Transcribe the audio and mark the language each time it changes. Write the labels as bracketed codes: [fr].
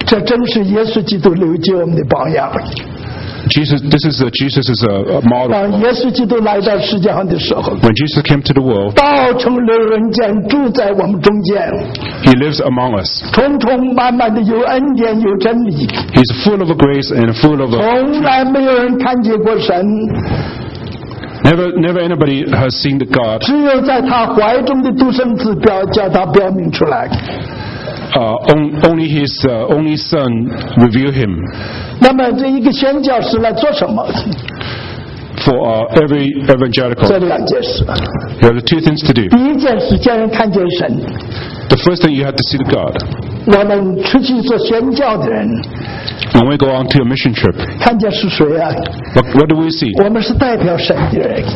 [zh] 这正是耶稣基督留给我们的榜样, [en] Jesus, this is Jesus' model. [zh] 当耶稣基督来到世界上的时候, [en] when Jesus came to the world, [zh] 道成了人间住在我们中间, [en] he lives among us. [zh] 充充满满的有恩典有真理, [en] he's full of grace and full of [zh] 从来没有人看见过神, [en] Never anybody has seen the God. [zh] 只有在他怀中的独生子表叫他表明出来, [en] only his only son reveal him. [zh] 那么这一个宣教士来做什么? [en] For every evangelical, [zh] 这两件事, [en] there are two things to do. [zh] 第一件事叫人看见神, [en] the first thing you have to see the God. [zh] 我们出去做宣教的人, [en] when we go on to a mission trip, [zh] 看见是谁啊? [en] What do we see? [zh] 我们是代表神的人,